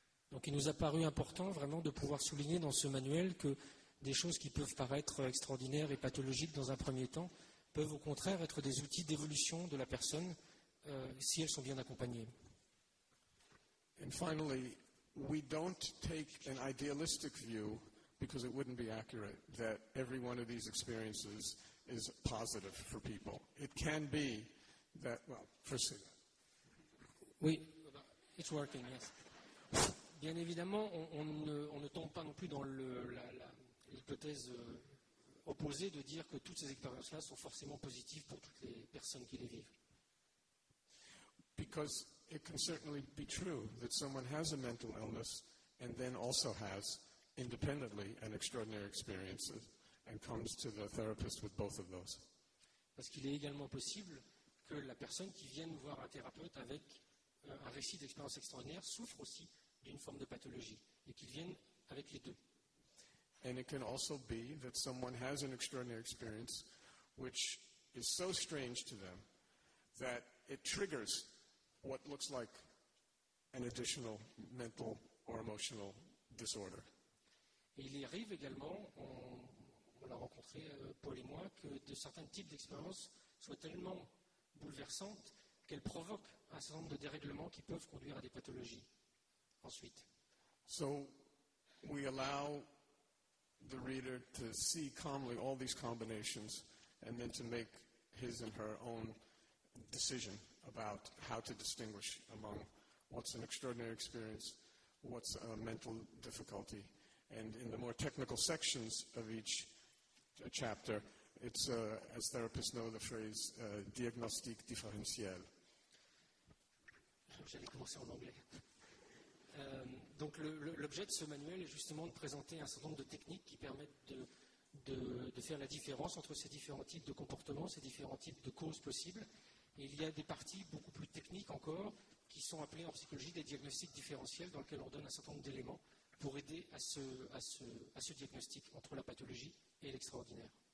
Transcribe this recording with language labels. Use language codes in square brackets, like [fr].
[fr] Donc il nous a paru important vraiment de pouvoir souligner dans ce manuel que des choses qui peuvent paraître extraordinaires et pathologiques dans un premier temps peuvent au contraire être des outils d'évolution de la personne si elles sont bien accompagnées. [en] And finally, we don't take an idealistic view, because it wouldn't be accurate, that every one of these experiences is positive for people. It can be that, well, firstly. Oui, it's working, yes. [fr] Bien évidemment, on ne tombe pas non plus dans l'hypothèse opposée de dire que toutes ces expériences-là sont forcément positives pour toutes les personnes qui les vivent. [en] Because it can certainly be true that someone has a mental illness and then also has, independently, an extraordinary experience and comes to the therapist with both of those. [fr] Parce qu'il est également possible que la personne qui vienne voir un thérapeute avec un récit d'expérience extraordinaire souffre aussi d'une forme de pathologie et qu'ils viennent avec les deux. [en] And it can also be that someone has an extraordinary experience which is so strange to them that it triggers what looks like an additional mental or emotional disorder. [fr] Et il arrive également, on l'a rencontré, Paul et moi, que de certains types d'expériences soient tellement bouleversantes qu'elles provoquent un certain nombre de dérèglements qui peuvent conduire à des pathologies. Ensuite. [en] So we allow the reader to see calmly all these combinations and then to make his and her own decision about how to distinguish among what's an extraordinary experience, what's a mental difficulty. And in the more technical sections of each chapter, it's, as therapists know, the phrase diagnostic différentiel. [fr] J'allais commencer en anglais. Donc l'objet de ce manuel est justement de présenter un certain nombre de techniques qui permettent de faire la différence entre ces différents types de comportements, ces différents types de causes possibles. Et il y a des parties beaucoup plus techniques encore qui sont appelées en psychologie des diagnostics différentiels dans lesquels on donne un certain nombre d'éléments pour aider à ce diagnostic entre la pathologie et l'extraordinaire.